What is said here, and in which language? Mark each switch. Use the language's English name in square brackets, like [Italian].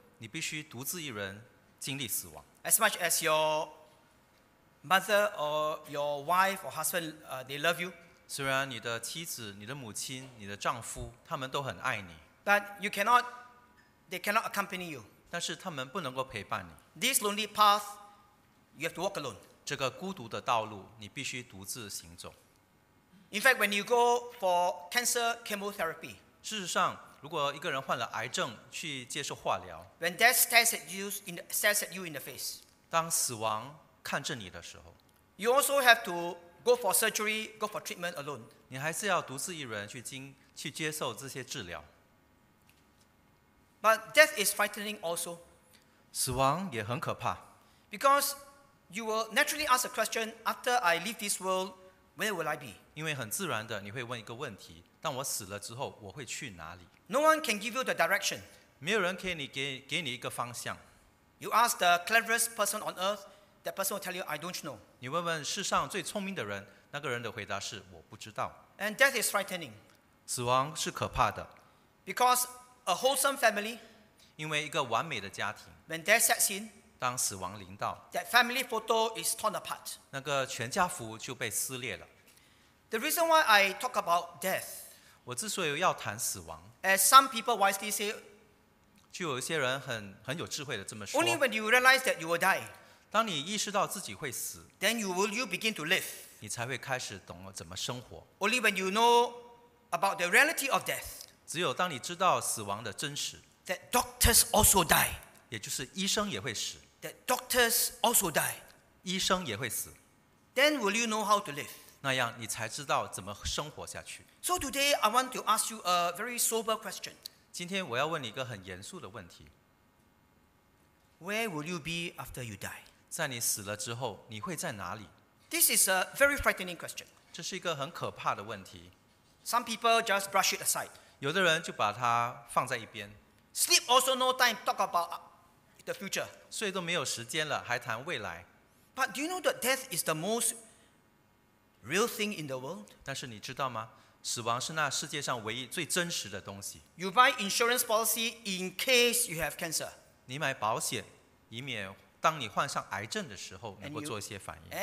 [Chinese] 你必须独自一人经历死亡。 [English] As much as your mother or your wife or husband, they love you. [Chinese] 虽然你的妻子、你的母亲、你的丈夫，他们都很爱你。 [English] But you cannot. They cannot accompany you. [Chinese] 但是他们不能够陪伴你。 [English] This lonely path, you have to walk alone. [Chinese] 这个孤独的道路，你必须独自行走。 [English] In fact, when you go for cancer chemotherapy, [Chinese] 事实上，如果一个人患了癌症去接受化疗， [English] when death stares at you in the face, [Chinese] 当死亡看着你的时候， [English] you also have to go for surgery, go for treatment alone. [Chinese] 你还是要独自一人去接受这些治疗。 [English] But death is frightening also. [Chinese] 死亡也很可怕。 [English] Because you will naturally ask a question, after I leave this world, where will I be? [Chinese] 因为很自然的你会问一个问题，当我死了之后，我会去哪里？ [English] No one can give you the direction. [Chinese] 没有人可以给你一个方向。 [English] You ask the cleverest person on earth, that person will tell you, I don't know. [Chinese] 你问问世上最聪明的人，那个人的回答是我不知道。 [English] And death is frightening. [Chinese] 死亡是可怕的。 [English] Because a wholesome family, [Chinese] 因为一个完美的家庭, [English] when death sets in, [Chinese] 当死亡临到, [English] that family photo is torn apart. [Chinese] 那个全家福就被撕裂了。 [English] The reason why I talk about death, [Chinese] 我之所以要谈死亡, [English] as some people wisely say, [Chinese] 就有一些人很有智慧的这么说, [English] only when you realize that you will die, [Chinese] 当你意识到自己会死, [English] then you will begin to live. [Chinese] 你才会开始懂怎么生活。 [English] Only when you know about the reality of death, [Chinese] 只有当你知道死亡的真实， [English] that doctors also die， [Chinese] 也就是医生也会死， [English] that doctors also die， [Chinese] 医生也会死， [English] then will you know how to live， [Chinese] 那样你才知道怎么生活下去。 [English] So today I want to ask you a very sober question， [Chinese] 今天我要问你一个很严肃的问题。 [English] Where will you be after you die? [Chinese] 在你死了之后，你会在哪里？ [English] This is a very frightening question. [Chinese] 这是一个很可怕的问题。 [English] Some people just brush it aside. [Chinese] 有的人就把它放在一边。 [English] Sleep also no time talk about the future. [Chinese] 睡都没有时间了，还谈未来。 [English] But do you know that death is the most real thing in the world? [Chinese] 但是你知道吗？死亡是那世界上唯一最真实的东西。 [English] You buy insurance policy in case you have cancer. [Chinese] 你买保险，以免当你患上癌症的时候能够做一些反应。